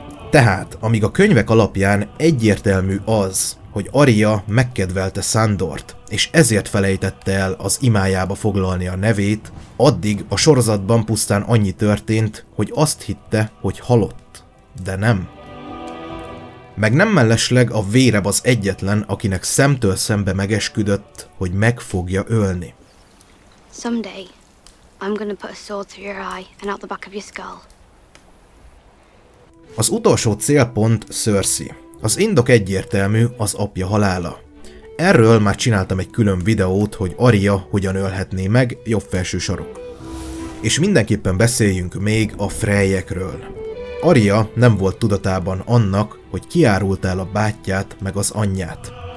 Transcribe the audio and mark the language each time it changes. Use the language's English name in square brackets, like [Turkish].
[Hungarian] Tehát, amíg a könyvek alapján egyértelmű az, hogy Arya megkedvelte Sandort, és ezért felejtette el az imájába foglalni a nevét, addig a sorozatban pusztán annyi történt, hogy azt hitte, hogy halott. De nem. Meg nem mellesleg a véreb az egyetlen, akinek szemtől szembe megesküdött, hogy meg fogja ölni. [English] Someday, I'm gonna put a sword through your eye and out the back of your skull. [Hungarian] Az utolsó célpont Cersei. Az indok egyértelmű, az apja halála. Erről már csináltam egy külön videót, hogy Arya hogyan ölhetné meg, jobb felső sarok. És mindenképpen beszéljünk még a Freyekről. Arya nem volt tudatában annak, hogy kiárult el a bátyját meg az anyját.